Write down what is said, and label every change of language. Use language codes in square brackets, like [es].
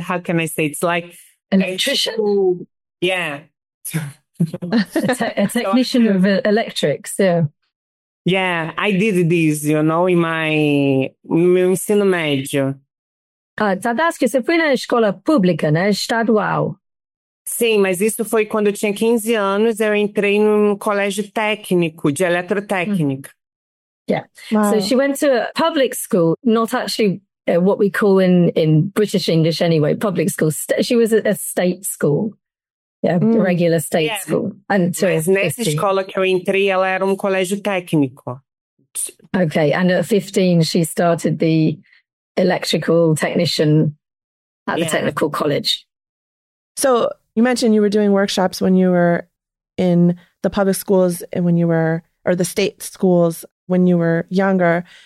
[en] How can I say? It's like electrician. Yeah. a technician of electrics. Yeah. I did this, you know, in my [pt] ensino medio. Tadaschi, você foi na escola pública, né? Estadual. Sim, mas isso foi quando eu tinha 15 anos, eu entrei num colégio técnico, de eletrotécnica. [en] Yeah. Wow. So she went to a public school, not actually what we call in British English anyway, public school. She was at a state school. Yeah, regular state school. Until [pt] mas nessa 15. Escola que eu entrei, ela era um colégio técnico. [en] Okay, and at 15 she started the electrical technician at the technical college. So you mentioned you were doing workshops when you were in the public schools and when you were, or the state schools when you were younger.